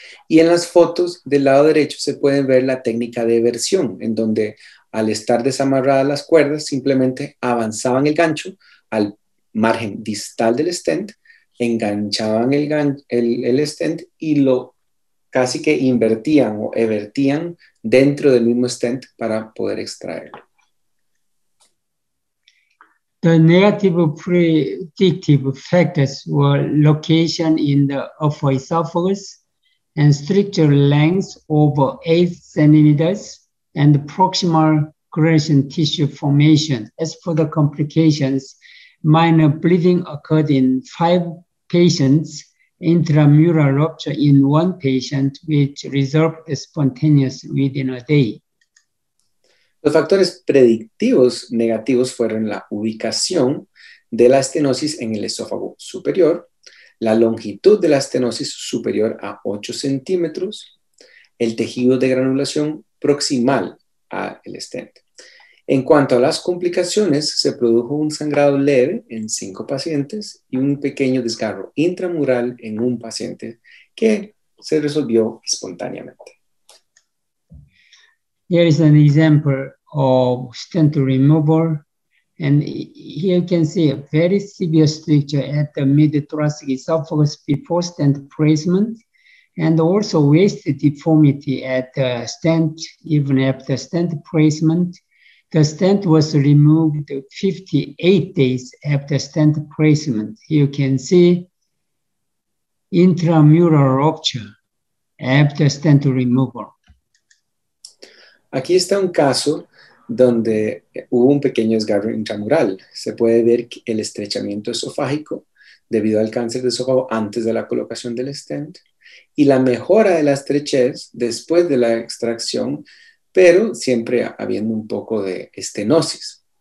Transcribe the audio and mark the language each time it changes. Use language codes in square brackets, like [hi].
[es] Y en las fotos del lado derecho se puede ver la técnica de eversión, en donde al estar desamarradas las cuerdas, simplemente avanzaban el gancho al margen distal del stent, enganchaban el stent y lo casi que invertían o evertían dentro del mismo stent para poder extraerlo. [en] The negative predictive factors were location in the esophagus and stricture length over 8 centimeters and proximal coagulation tissue formation. As for the complications, minor bleeding occurred in 5 patients, intramural rupture in 1 patient, which resolved spontaneously within a day. [es] Los factores predictivos negativos fueron la ubicación de la estenosis en el esófago superior, la longitud de la estenosis superior a 8 centímetros, el tejido de granulación proximal al stent. En cuanto a las complicaciones, se produjo un sangrado leve en 5 pacientes y un pequeño desgarro intramural en un paciente que se resolvió espontáneamente. [en] Here is an example of stent removal, and here you can see a very severe stricture at the mid-thoracic esophagus before stent placement, and also waist deformity at the stent even after stent placement. The stent was removed 58 days after stent placement. Here you can see intramural rupture after stent removal. [es] Aquí está un caso donde hubo un pequeño desgarro intramural. Se puede ver el estrechamiento esofágico debido al cáncer de esófago antes de la colocación del stent y la mejora de la estrechez después de la extracción, pero siempre habiendo un poco de estenosis.